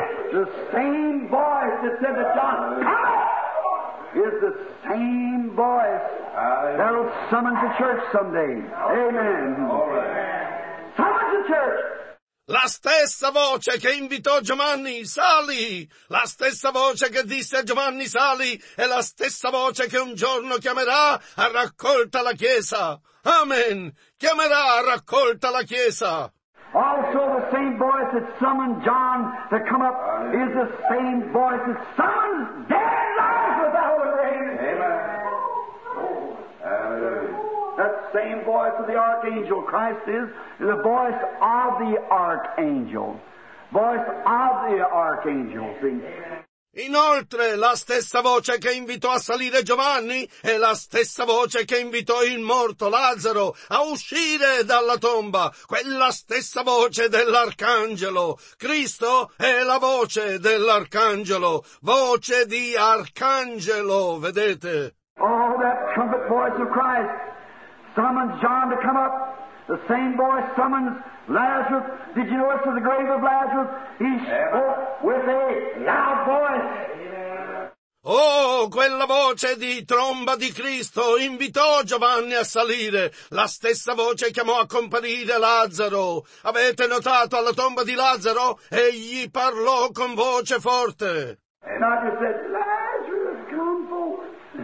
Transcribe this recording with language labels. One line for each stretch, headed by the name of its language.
English: The same voice that said to John, come up, is the same voice that will summon the church someday. Amen. Summon the church.
Italian: La stessa voce che invitò Giovanni, sali! La stessa voce che disse a Giovanni, sali! È la stessa voce che un giorno chiamerà a raccolta la Chiesa. Amen! Chiamerà a raccolta la Chiesa!
English: Also the same voice that summoned John to come up is the same voice that summons dead lives without a name. Amen. Oh. Hallelujah. That same voice of the archangel Christ is the voice of the archangel. Voice of the archangel.
Italian: Inoltre, la stessa voce che invitò a salire Giovanni è la stessa voce che invitò il morto Lazzaro a uscire dalla tomba. Quella stessa voce dell'arcangelo. Cristo è la voce dell'arcangelo. Voce di arcangelo, vedete?
English: Oh, that trumpet voice of Christ summons John to come up. The same voice summons Lazarus. Did you notice the grave of Lazarus? He spoke with a loud voice.
Italian: Oh, quella voce di tromba di Cristo invitò Giovanni a salire. La stessa voce chiamò a comparire Lazzaro. Avete notato alla tomba di Lazzaro? Egli parlò con voce forte.
English: And I just said, Lazarus, come forth.